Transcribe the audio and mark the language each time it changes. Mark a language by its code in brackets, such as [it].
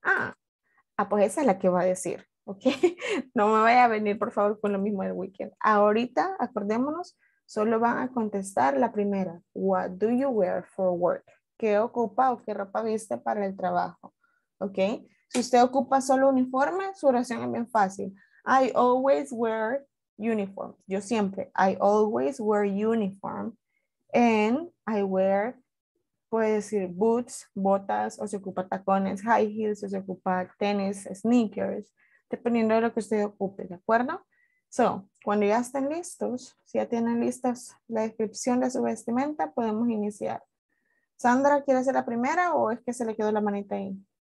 [es] Ah, pues esa es la que va a decir, ok. No me vaya a venir, por favor, con lo mismo el weekend. Ahorita, acordémonos, solo van a contestar la primera. What do you wear for work? ¿Qué ocupa o qué ropa viste para el trabajo? Ok, si usted ocupa solo uniforme, su oración es bien fácil. [en] I always wear uniform. Yo siempre, I always wear uniform and I wear... [es] Puede decir boots, botas, o se ocupa tacones, high heels, o se ocupa tenis, sneakers, dependiendo de lo que usted ocupe, ¿de acuerdo? So, cuando ya estén listos, si ya tienen listas la descripción de su vestimenta, podemos iniciar. Sandra, ¿quiere ser la primera o es que se le quedó la manita ahí?